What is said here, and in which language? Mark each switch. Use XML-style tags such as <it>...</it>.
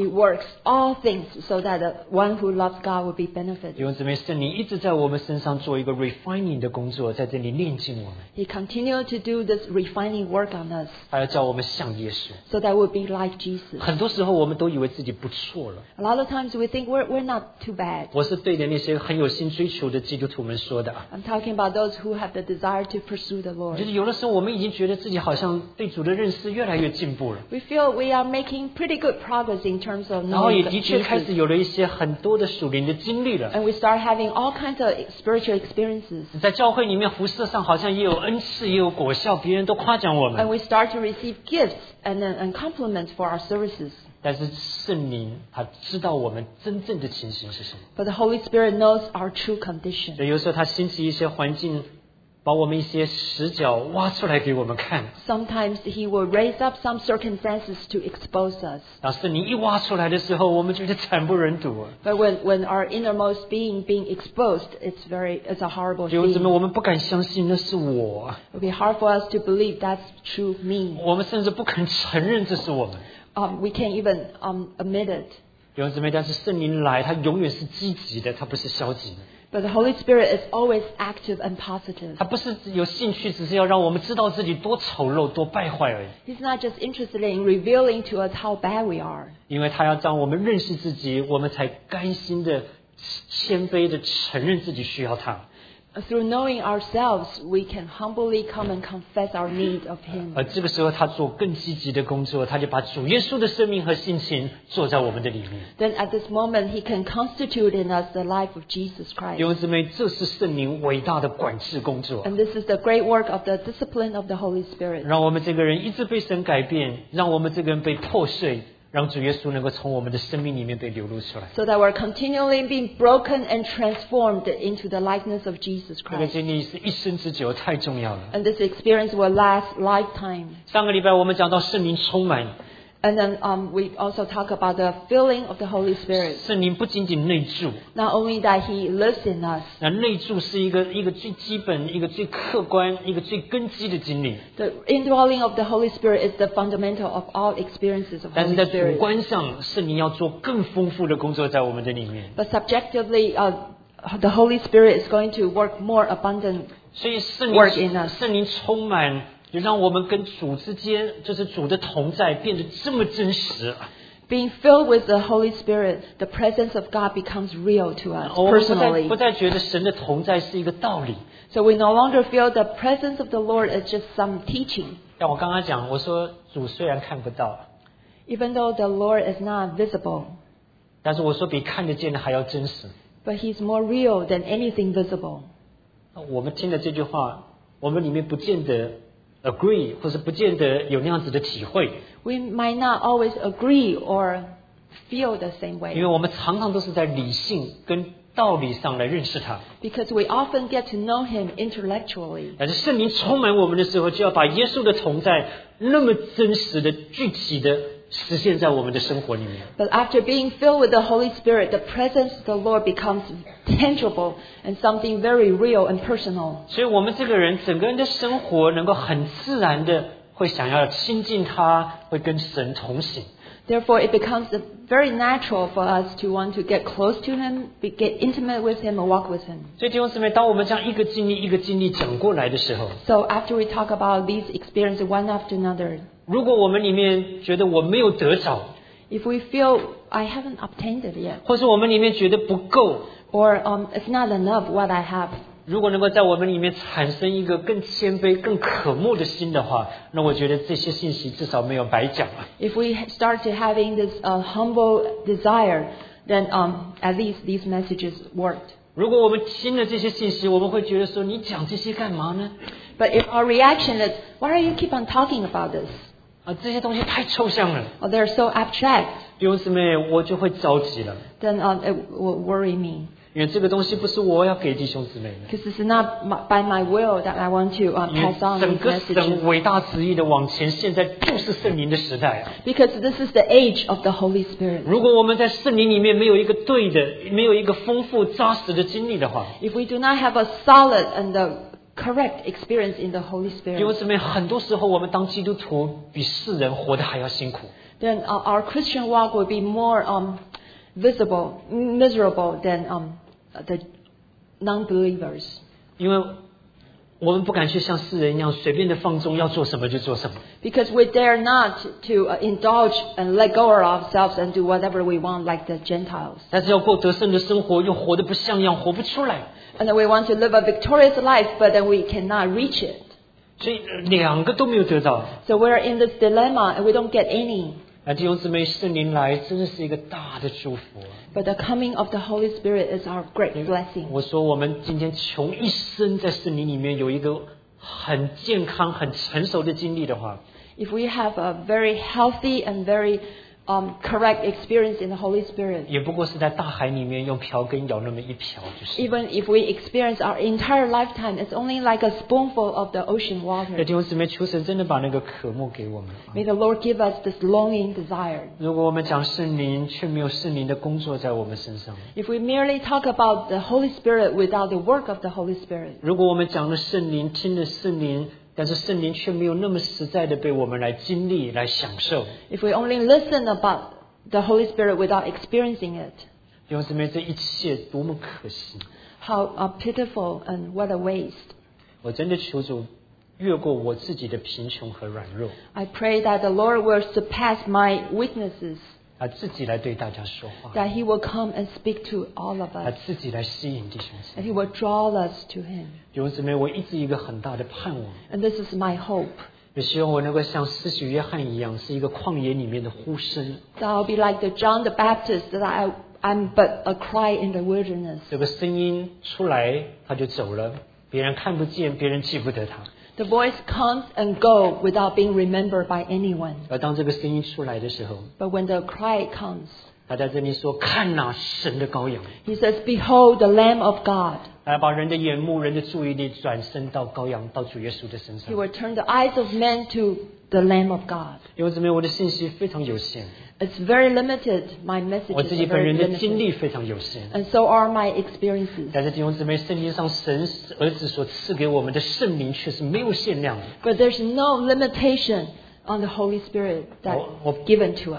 <en>He works all things so that the one who loves God will be benefited.</en> <zh>弟兄姊妹，圣灵一直在我们身上做一个</zh> <en>refining</en> <zh>的工作，在这里炼净我们。</zh> <en>He continues to do this refining work on us.</en> <zh>他要叫我们像耶稣。</zh> <en>So that we'll be like Jesus.</en> <zh>很多时候我们都以为自己不错了。</zh> <en>A lot of times we think we're not too bad.</en> <zh>我是对着那些很有心追求的基督徒们说的。</zh> <en>I'm talking about those who have the desire to pursue the Lord.</en> <zh>就是有的时候我们已经觉得自己好像对主的认识越来越进步了。</zh> <en>We feel we are making pretty good progress in terms of knowing Jesus.</en> <zh>然后也的确开始有了一些很多的属灵的经历了。</zh> <en>And we start having all kinds of spiritual experiences.</en> <zh>在教会里面服事上好像也有恩赐，也有果效，别人都夸奖我们。</zh> <en>And we start to receive gifts and compliments for our services.</en> <zh>但是圣灵他知道我们真正的情形是什么。</zh> <en>But the Holy Spirit knows our true condition.</en> <zh>有时候他兴起一些环境，把我们一些死角挖出来给我们看。</zh> <en>Sometimes he will raise up some circumstances to expose us.</en> <zh>当圣灵一挖出来的时候，我们觉得惨不忍睹。</zh> <en>But when our innermost being exposed, it's a horrible thing.</en> <zh>弟兄姊妹，我们不敢相信那是我。</zh> <en>It would be hard for us to believe that's true me.</en> <zh>我们甚至不肯承认这是我们。</zh> <en>We can't even admit it.</en> <zh>弟兄姊妹，但是圣灵来，他永远是积极的，他不是消极的。</zh> <en>But the Holy Spirit is always active and positive.</en> <zh>他不是有兴趣，只是要让我们知道自己多丑陋、多败坏而已。</zh> <en>He's not just interested in revealing to us how bad we are.</en> <zh>因为他要让我们认识自己，我们才甘心的、谦卑的承认自己需要他。</zh> <en>Through knowing ourselves, we can humbly come and confess our need of Him.</en> <zh>而这个时候，他做更积极的工作，他就把主耶稣的生命和性情做在我们的里面。</zh> <en>Then at this moment, He can constitute in us the life of Jesus Christ.</en> <zh>弟兄姊妹，这是圣灵伟大的管制工作。</zh> <en>And this is the great work of the discipline of the Holy Spirit.</en> <zh>让我们这个人一直被神改变，让我们这个人被破碎。让主耶稣能够从我们的生命里面被流露出来。</zh> <en>So that we're continually being broken and transformed into the likeness of Jesus Christ.</en> <zh>这个经历是一生之久，太重要了。</zh> <en>And this experience will last lifetime.</en> <zh>上个礼拜我们讲到圣灵充满。</zh> <en>And then we also talk about the filling of the Holy Spirit.</en> <zh>圣灵不仅仅内住。</zh> <en>Not only that He lives in us.</en> <zh>那内住是一个最基本、一个最客观、一个最根基的经历。</zh> <en>The indwelling of the Holy Spirit is the fundamental of all experiences of the Holy Spirit.</en> <zh>但是在主观上，圣灵要做更丰富的工作在我们的里面。</zh> <en>But subjectively, the Holy Spirit is going to work more abundant.</en> <zh>所以圣灵充满。就让我们跟主之间，就是主的同在变得这么真实。</zh> <en>Being filled with the Holy Spirit, the presence of God becomes real to us personally.</en> <zh>我们不再觉得神的同在是一个道理。</zh> <en>So we no longer feel the presence of the Lord is just some teaching.</en> <zh>像我刚刚讲，我说主虽然看不到。</zh> <en>Even though the Lord is not visible.</en> <zh>但是我说比看得见的还要真实。</zh> <en>But He's more real than anything visible.</en> <zh>我们听了这句话，我们里面不见得</zh> <en>agree</en> <zh>或是不见得有那样子的体会。</zh> <en>We might not always agree or feel the same way.</en> <zh>因为我们常常都是在理性跟道理上来认识他。</zh> <en>Because we often get to know him intellectually.</en> <zh>但是圣灵充满我们的时候，就要把耶稣的同在那么真实的、具体的实现在我们的生活里面。</zh> <en>But after being filled with the Holy Spirit, the presence of the Lord becomes tangible and something very real and personal.</en> <zh>所以我们这个人整个人的生活能够很自然的会想要亲近他，会跟神同行。</zh> <en>Therefore, it becomes very natural for us to want to get close to Him, get intimate with Him, and walk with Him.</en> <zh>所以弟兄姊妹，当我们这样一个经历一个经历讲过来的时候</zh> <en>，So after we talk about these experiences one after another,</en> <zh>如果我们里面觉得我没有得着</zh> <en>，If we feel I haven't obtained it yet,</en> <zh>或是我们里面觉得不够</zh> <en>，Or it's not enough what I have.</en> <zh>如果能够在我们里面产生一个更谦卑、更渴慕的心的话，那我觉得这些信息至少没有白讲了。</zh> <en>If we start to having this humble desire, then at least these messages worked.</en> <zh>如果我们听了这些信息，我们会觉得说：“你讲这些干嘛呢？”</zh> <en>But if our reaction is, "Why are you keep on talking about this?"</en> <zh>啊，这些东西太抽象了。</zh> <en>Oh, they're so abstract.</en> <zh>弟兄姊妹，我就会着急了。</zh> <en>Then it will worry me.</en> <zh>因为这个东西不是我要给弟兄姊妹的。</zh> <en>Because it's not by my will that I want to pass on these messages.</en> <zh>整个神伟大旨意的往前，现在就是圣灵的时代。</zh> <en>Because this is the age of the Holy Spirit.</en> <zh>如果我们在圣灵里面没有一个对的，没有一个丰富扎实的经历的话</zh> <en>，If we do not have a solid and a correct experience in the Holy Spirit,</en> <zh>弟兄姊妹，很多时候我们当基督徒比世人活得还要辛苦。</zh> <en>Then our Christian walk would be more visible, miserable than the non-believers.</en> <zh>因为我们不敢去像世人一样随便的放纵，要做什么就做什么。</zh> <en>Because we dare not to indulge and let go of ourselves and do whatever we want like the Gentiles.</en> <zh>但是要过得胜的生活，又活得不像样，活不出来。</zh> <en>And we want to live a victorious life, but then we cannot reach it.</en> <zh>所以两个都没有得到。</zh> <en>So we're in this dilemma and we don't get any.</en> <zh>弟兄姊妹，圣灵来真的是一个大的祝福。</zh> <en>But the coming of the Holy Spirit is our great blessing.</en> <zh>我说我们今天穷一生在圣灵里面有一个很健康、很成熟的经历的话</zh> <en>，If we have a very healthy and very correct experience in the Holy Spirit,</en> <zh>也不过是在大海里面用瓢羹舀那么一瓢就是。</zh> <en>Even if we experience our entire lifetime, it's only like a spoonful of the ocean water.</en> <zh>弟兄姊妹，求神真的把那个渴慕给我们。</zh> <en>May the Lord give us this longing desire.</en> <zh>如果我们讲圣灵，却没有圣灵的工作在我们身上。</zh> <en>If we merely talk about the Holy Spirit without the work of the Holy Spirit.</en> <zh>如果我们讲了圣灵，听了圣灵。但是圣灵却没有那么实在的被我们来经历来享受</zh> <en>If we only listen about the Holy Spirit without experiencing it</en> <zh>弟兄姊妹这一切多么可惜</zh> <en>How pitiful and what a waste</en> <zh>我真的求主越过我自己的贫穷和软弱</zh> <en>I pray that the Lord will surpass my weaknesses</en> <zh>他自己来对大家说话</zh> <en>That he will come and speak to all of us</en> <zh>他自己来吸引弟兄姊妹</zh> <en>And he will draw us to him</en> <zh>弟兄姊妹，我一直一个很大的盼望。</zh> <en>And this is my hope.</en> <zh>也希望我能够像施洗约翰一样，是一个旷野里面的呼声。</zh> <en>That I'll be like the John the Baptist, that I'm but a cry in the wilderness.</en> <zh>这个声音出来，他就走了，别人看不见，别人记不得他。</zh> <en>The voice comes and goes without being remembered by anyone.</en> <zh>而当这个声音出来的时候</zh> <en>，But when the cry comes.</en> <zh>他在这里说：“看哪，神的羔羊。”</zh> <en>He says, "Behold, the Lamb of God."</en> <zh>来把人的眼目、人的注意力转身到羔羊、到主耶稣的身上。</zh> <en>He will turn the eyes of men to the Lamb of God.</en> <zh>因为怎么样，我的信息非常有限。</zh> <en>It's very limited. My message.</en> <zh>我自己本人的经历非常有限。</zh> <en>And so are my experiences.</en> <zh>但是弟兄姊妹，圣经上神儿子所赐给我们的圣灵却是没有限量的。</zh> <en>But there's no limitation. On the Holy Spirit that given to us.</en>